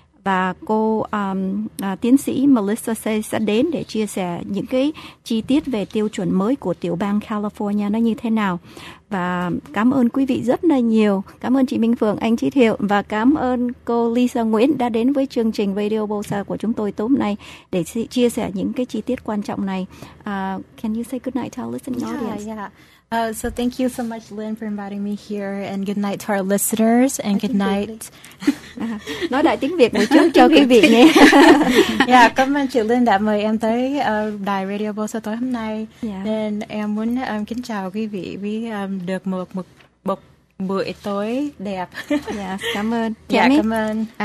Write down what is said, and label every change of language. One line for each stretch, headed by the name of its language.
Vietnamese: Và cô tiến sĩ Melissa Say sẽ đến để chia sẻ những cái chi tiết về tiêu chuẩn mới của tiểu bang California nó như thế nào. Và cảm ơn quý vị rất là nhiều. Cảm ơn chị Minh Phượng, anh Chí Thiệu, và cảm ơn cô Lisa Nguyễn đã đến với chương trình Radio Bosa của chúng tôi tối nay để chia sẻ những cái chi tiết quan trọng này.
English: Can you say goodnight to our listening audience? Yeah, yeah. So thank you so much, Lynn, for inviting me here, and good night to our listeners, and good night.
Vietnamese: Nói đại tiếng Việt một chút cho quý vị nghe. Yeah, cảm ơn chị Lynn đã mời em tới đài Radio Bosa tối hôm nay. Yeah. Nên em muốn kính chào quý vị vì được một buổi tối đẹp. Yeah, cảm ơn. Tammy. Yeah, cảm ơn.